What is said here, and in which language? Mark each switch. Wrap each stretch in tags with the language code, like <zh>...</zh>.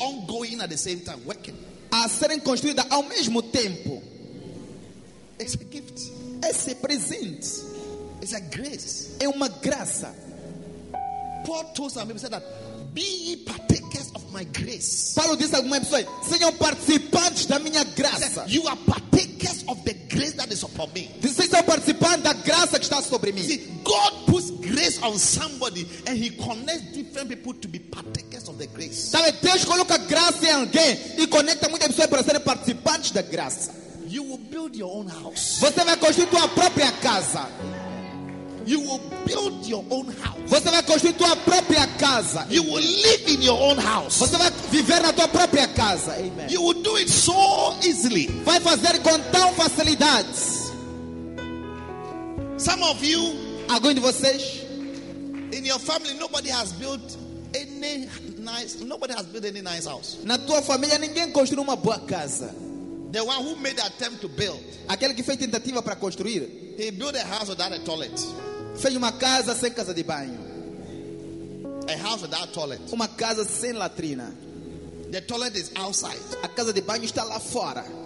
<en>Ongoing at the same time, working.</en> <pt>A serem construídas ao mesmo tempo.</pt> <en>It's a gift.</en> <pt>Esse presente.</pt> <en>It's a grace.</en> <pt>É uma graça.</pt> <en>Paul told some people, said that, be ye partakers of my grace.</en> <pt>Paulo disse a algumas pessoas, sejam participantes da minha graça.</pt> <en>Said, you are partakers of the grace that is upon me.</en> <pt>Vocês são participantes da graça que está sobre mim.</pt> <en>See, God puts grace on somebody and he connects different people to be partakers of the grace.</en> <pt>Sabe, Deus coloca graça em alguém e conecta muitas pessoas para serem participantes da graça.</pt> <en>You will build your own house.</en> <pt>Você vai construir tua própria casa.</pt> <en>You will build your own house.</en> <pt>Você vai construir tua própria casa.</pt> <en>You will live in your own house.</en> <pt>Você vai viver na tua própria casa.</pt> <en>Amen. You will do it so easily.</en> <pt>Vai fazer com tão facilidade.</pt> <en>Some of you,</en> <pt>alguns de vocês,</pt> <en>in your family, nobody has built any nice. Nobody has built any nice house.</en> <pt>Na tua família ninguém construiu uma boa casa.</pt> <en>The one who made the attempt to build.</en> <pt>Aquele que fez tentativa para construir.</pt> <en>He built a house without a toilet.</en> <pt>Fez uma casa sem casa de banho.</pt> <en>A house without a toilet.</en> <pt>Uma casa sem latrina.</pt> <en>The toilet is outside.</en> <pt>A casa de banho está lá fora.</pt>